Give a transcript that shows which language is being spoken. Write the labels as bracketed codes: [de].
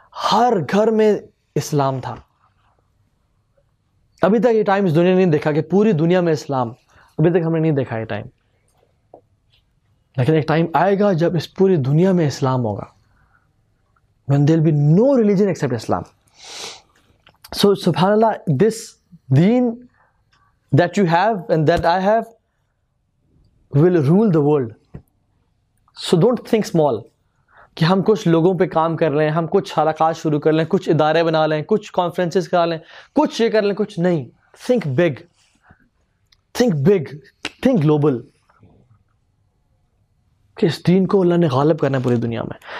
[ur] ہر گھر میں اسلام تھا. ابھی تک یہ ٹائم اس دنیا نے نہیں دیکھا کہ پوری دنیا میں اسلام، ابھی تک ہم نے نہیں دیکھا یہ ٹائم، لیکن ایک ٹائم آئے گا جب اس پوری دنیا میں اسلام ہوگا. [en] When there will be no religion except Islam. So subhanAllah, this deen that you have and that I have will rule the world. So don't think small [ur] کہ ہم کچھ لوگوں پہ کام کر لیں، ہم کچھ حلقات شروع کر لیں، کچھ ادارے بنا لیں، کچھ کانفرنسز کرا لیں، کچھ یہ کر لیں، کچھ نہیں. [en] Think big. Think big. Think global. [ur] کہ اس دین کو اللہ نے غالب کرنا ہے پوری دنیا میں.